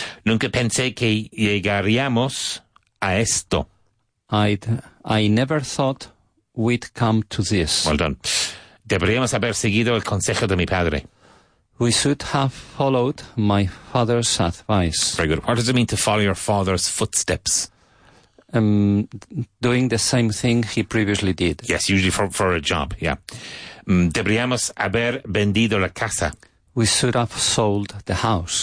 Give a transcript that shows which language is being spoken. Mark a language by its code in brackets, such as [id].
[es] Nunca pensé que llegaríamos a esto. [en] I never thought we'd come to this. Well done. [es] Deberíamos haber seguido el consejo de mi padre. [en] We should have followed my father's advice. Very good. What does it mean to follow your father's footsteps? Doing the same thing he previously did. Yes, usually for a job, yeah. [es] Deberíamos haber vendido la casa. [en] We should have sold the house.